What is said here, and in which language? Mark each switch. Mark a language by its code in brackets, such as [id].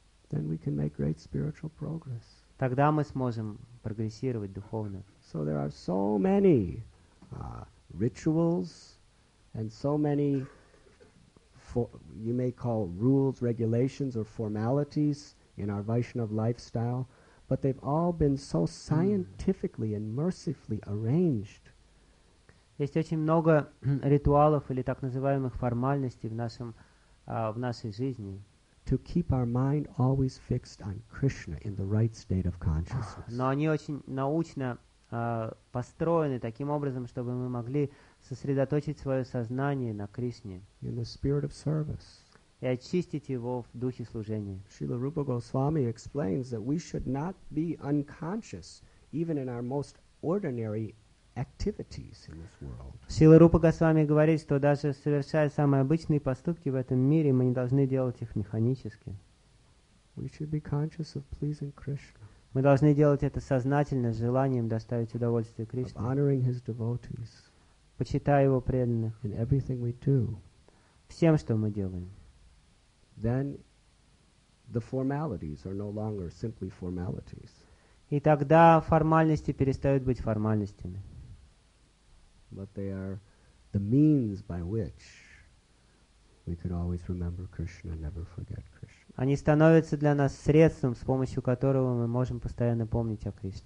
[en] Then we can make great spiritual progress. [ru] Тогда мы сможем прогрессировать духовно. [en] So there are so many rituals and so many you may call rules, regulations or formalities in our Vaishnava lifestyle, but they've all been so scientifically and mercifully arranged. [ru] Есть очень много ритуалов или так называемых формальностей в нашей жизни. [en] To keep our mind always fixed on Krishna in the right state of consciousness. [ru] Но они очень научно построены таким образом, чтобы мы могли сосредоточить свое сознание на Кришне. [en] In the spirit of service. [ru] И очистить его в духе служения. [en] Srila Rupa Goswami explains that we should not be unconscious even in our most ordinary activities in this world. [ru] Srila Rupa Goswami говорит, что даже совершая самые обычные поступки в этом мире, мы не должны делать их механически. [en] We should be conscious of pleasing Krishna. [ru] Мы должны делать это сознательно, с желанием доставить удовольствие Кришне. [en] Of honoring his devotees. [ru] Почитая его преданных. [en] In everything we do. [ru] Всем, что мы делаем. [en] Then the formalities are no longer simply formalities. [ru] И тогда формальности перестают быть формальностями. [en] But they are the means by which we could always remember Krishna and never forget Krishna. [ru] Они становятся для нас средством, с помощью которого мы можем постоянно помнить о Кришне.